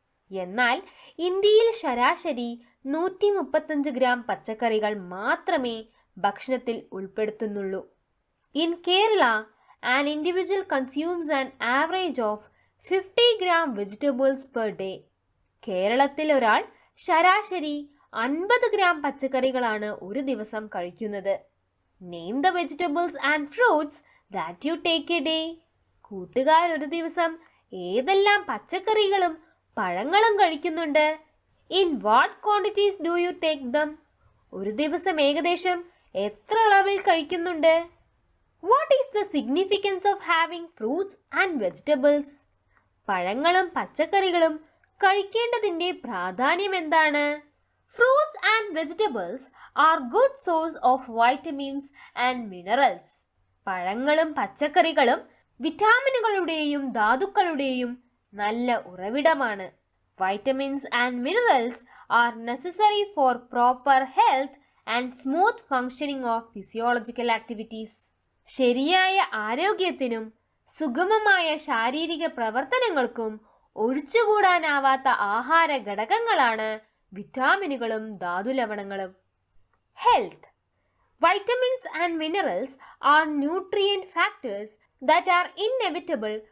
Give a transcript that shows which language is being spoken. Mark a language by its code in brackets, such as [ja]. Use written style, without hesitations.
[ml] എന്നാൽ ഇന്ത്യയിൽ ശരാശരി 135 ഗ്രാം പച്ചക്കറികൾ മാത്രമേ ഭക്ഷണത്തിൽ ഉൾപ്പെടുത്തുന്നുള്ളൂ [en] In Kerala An individual consumes an average of 50 gram vegetables per day. [ml] കേരളത്തിലെ ഒരാൾ ശരാശരി 50 gram പച്ചക്കറികളാണ് ഒരു ദിവസം കഴിക്കുന്നത്. [en] Name the vegetables and fruits that you take a day. [ml] കൂട്ടുകാർ ഒരു ദിവസം ഏതെല്ലാം പച്ചക്കറികളും പഴങ്ങളും കഴിക്കുന്നുണ്ട്? [en] In what quantities do you take them? [ml] ഒരു ദിവസം ഏകദേശം എത്ര അളവിൽ കഴിക്കുന്നുണ്ട്? [en] What is the significance of having fruits and vegetables? [ml] പഴങ്ങളും പച്ചക്കറികളും കഴിക്കേണ്ടതിന്റെ പ്രാധാന്യം എന്താണ്? [en] Fruits and vegetables are good source of vitamins and minerals. [ml] പഴങ്ങളും പച്ചക്കറികളും വിറ്റാമിനുകളുടെയും ധാതുക്കളുടെയും നല്ല ഉറവിടമാണ്. [en] Vitamins and minerals are necessary for proper health and smooth functioning of physiological activities. [ml] ശരിയായ ആരോഗ്യത്തിനും സുഗമമായ ശാരീരിക പ്രവർത്തനങ്ങൾക്കും ഒഴിച്ചുകൂടാനാവാത്ത ആഹാര ഘടകങ്ങളാണ് വിറ്റാമിനുകളും ധാതുലവണങ്ങളും [en] health vitamins and minerals are nutrient factors that are inevitable